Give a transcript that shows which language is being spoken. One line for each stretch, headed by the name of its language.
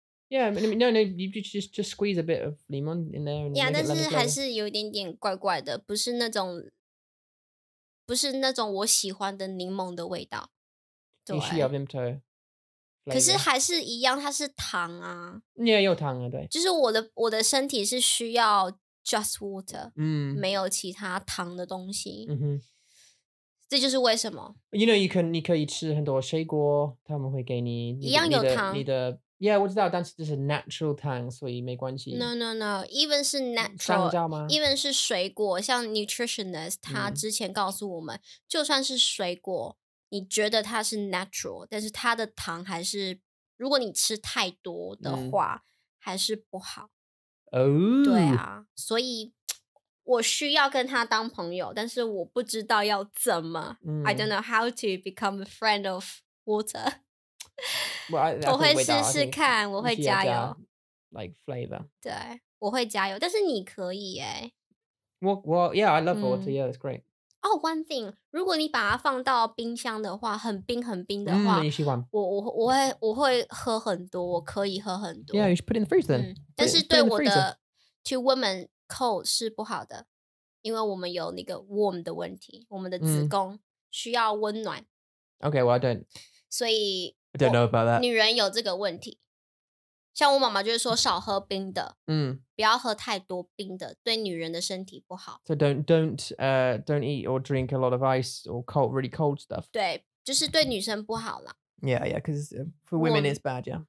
English: Yeah, no, no, you just squeeze a bit of lemon in there.
Chinese: Yeah, 但是还是有一点点怪怪的，不是那种。不是那种我喜欢的柠檬的味道，对，你需要 Vimto, 可是还是一样，它是糖啊，你也有糖啊，对，就是我的身体是需要
English: just water,
Chinese: 没有其他糖的东西，这就是为什么
English: you know,
Chinese: 你可以吃很多水果，他们会给 你一样有糖，你的 yeah, 我知道，但是这是 natural 糖，所以没关系
English: no, even
Chinese: 是 natural,
English: even
Chinese: 是水果，像 nutritionist, 他之前告诉我们，就算是水果，你觉得它是 natural, 但是它的糖还是，如果你吃太多的话，还是不好，对啊，所以我需要跟他当朋友，但是我不知道要怎么
English: I don't know how to become a friend of water. Well,
Chinese: 我会试试看，我会加油。
English: Like flavor.
Chinese: 对，我会加油，但是你可以耶。
English: Well, yeah, I love water, yeah, that's great. Oh, one thing,
Chinese: 如果你把它放到冰箱的话，很冰很冰的话，你喜欢。我会喝很多，我可以喝很多。
English: Yeah, you should put it in the freezer then.
Chinese: 但是对我的
English: to women,cold
Chinese: 是不好的，因为我们有那个
English: warm
Chinese: 的问题，我们的子宫需要温暖。
English: Okay, well, I don't.
Chinese: 所以
English: I don't know about that.
Chinese: 女人有这个问题，像我妈妈就是说少喝冰的，不要喝太多冰的，对女人的身体不好。
English: So don't eat or drink a lot of ice or cold, really cold stuff.
Chinese: 对，就是对女生不好啦。
English: Yeah, yeah, because for women it's bad, yeah.